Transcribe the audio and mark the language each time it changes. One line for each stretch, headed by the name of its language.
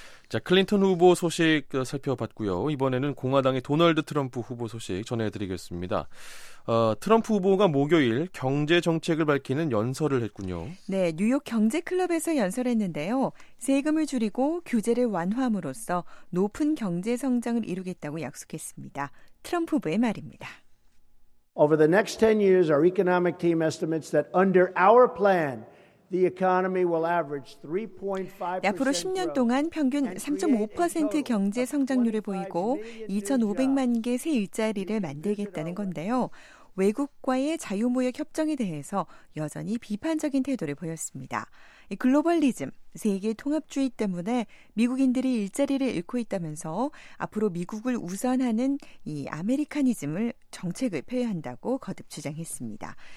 Korean: 자 클린턴 후보 소식 살펴봤고요. 이번에는 공화당의 도널드 트럼프 후보 소식 전해드리겠습니다. 트럼프 후보가 목요일 경제 정책을 밝히는 연설을 했군요. 네, 뉴욕 경제클럽에서 연설했는데요. 세금을 줄이고 규제를 완화함으로써 높은 경제 성장을 이루겠다고 약속했습니다. 트럼프 후보의 말입니다.
English: Over the next 10 years, our economic team estimates that under our plan, The economy will average 3.5%.
Korean: 네, 앞으로 10년 동안 평균 3.5% 경제 성장률을 보이고 2,500만 개 새 일자리를 만들겠다는 건데요. 외국과의 자유무역 협정에 대해서 여전히 비판적인 태도를 보였습니다. 글로벌리즘, 세계 통합주의 때문에 미국인들이 일자리를 잃고 있다면서 앞으로 미국을 우선하는 이 아메리카니즘을 정책을 표현한다고 거듭 주장했습니다.